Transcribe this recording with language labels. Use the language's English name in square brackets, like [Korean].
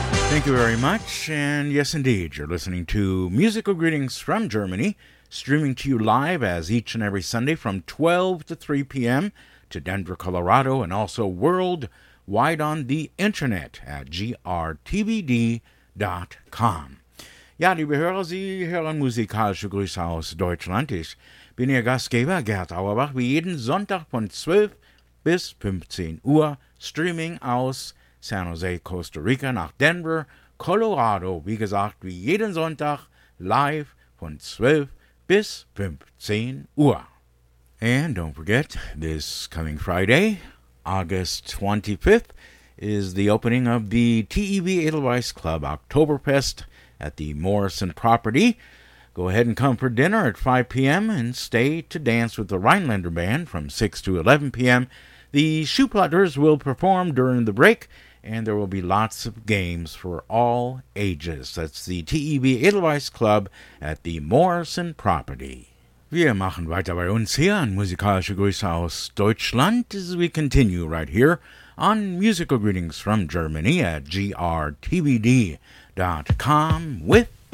[English] Thank you very much, and yes indeed, you're listening to Musical Greetings from Germany, streaming to you live as each and every Sunday from 12 to 3 p.m. to Denver, Colorado, and also worldwide on the internet at grtvd.com. [German] Ja, liebe Hörer, Sie hören musikalische Grüße aus Deutschland. Ich bin Ihr Gastgeber, Gerd Auerbach, wie jeden Sonntag von 12 bis 15 Uhr, streaming aus San Jose, Costa Rica, nach Denver, Colorado. Wie gesagt, wie jeden Sonntag, live von 12 bis 15 Uhr. [English] And don't forget, this coming Friday, August 25th, is the opening of the TEV Edelweiss Club Oktoberfest at the Morrison property. Go ahead and come for dinner at 5 p.m. and stay to dance with the Rhinelander Band from 6 to 11 p.m. The Schuhplatters will perform during the break, and there will be lots of games for all ages. That's the TEV Edelweiss Club at the Morrison property. [German] Wir machen weiter bei uns hier an musikalische Grüße aus Deutschland [English] as we continue right here on Musical Greetings from Germany at GRTVD. .com with